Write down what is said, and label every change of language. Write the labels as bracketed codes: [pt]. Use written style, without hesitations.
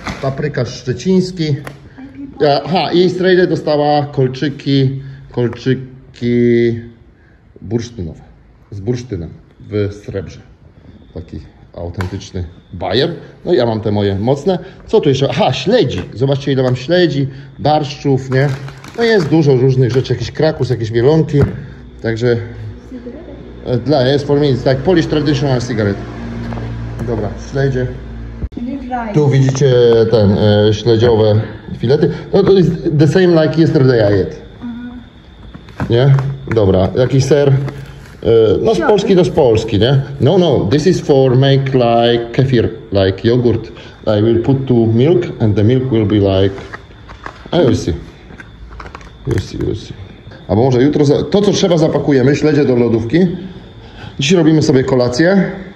[pl] Paprykarz szczeciński. Aha, i Strejle dostała kolczyki bursztynowe. Z bursztynem w srebrze. Taki autentyczny bajer. No i ja mam te moje mocne. Co tu jeszcze? Aha, śledzi. Zobaczcie, ile mam śledzi, barszczów, nie? No jest dużo różnych rzeczy. Jakiś krakus, jakieś mielonki. Także... dla jest [en] for me, it's like Polish traditional cigarette. [pl] Dobra, śledzie. Tu widzicie ten śledziowe filety. No to jest [en] the same like yesterday I ate. [pl] Nie? Dobra, jakiś ser. No z Polski to z Polski, nie? [en] No, no, this is for make like kefir, like yogurt. I will put to milk and the milk will be like... I will see. You see, you see. [pl] Albo może jutro... to co trzeba zapakujemy, śledzie do lodówki. Dziś robimy sobie kolację.